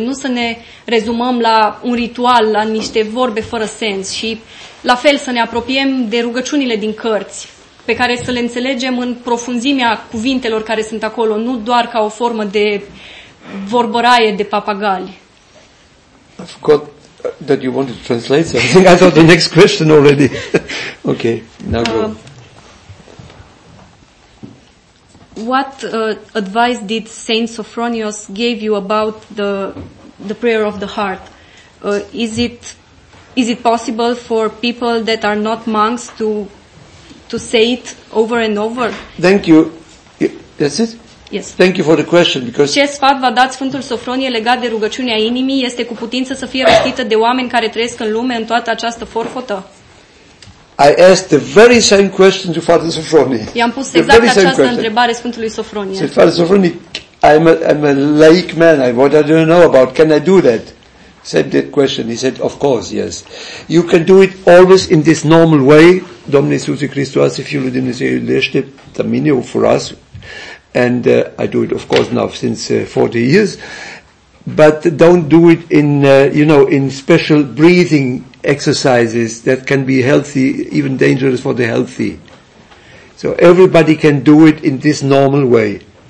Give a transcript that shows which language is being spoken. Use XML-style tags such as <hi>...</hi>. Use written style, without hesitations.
<ro>Nu să ne rezumăm la un ritual, la niște vorbe fără sens și la fel să ne apropiem de rugăciunile din cărți, pe care să le înțelegem în profunzimea cuvintelor care sunt acolo, nu doar ca o formă de vorbăraie de papagali.</ro> <en>I forgot that you wanted to translate something. I thought the next question already. Okay, now go. What advice did Saint Sophronius give you about the prayer of the heart? Is it possible for people that are not monks to say it over and over? Thank you. That's it? Yes. Thank you for the question, because</en> <ro>ce sfat v-a dat Sfântul Sofronie legat de rugăciunea inimii este cu putință să fie rostită de oameni care trăiesc în lume în toată această forfotă?</ro> <en>I asked the very same question to Father Sofronie.</en> <ro>I-am pus exact această întrebare Sfântului Sofronie.</ro> <en>Said, Father Sofronie, I'm a laic man. What I don't know about, can I do that? Said that question. He said, of course, yes. You can do it always in this normal way.</en> <ro>Domnul Iisus Hristos, Fiul lui Dumnezeu, iubește</ro> <en>the minimum for us. And I do it, of course, now since 40 years. But don't do it in special breathing exercises that can be healthy, even dangerous for the healthy. So everybody can do it in this normal way.</en>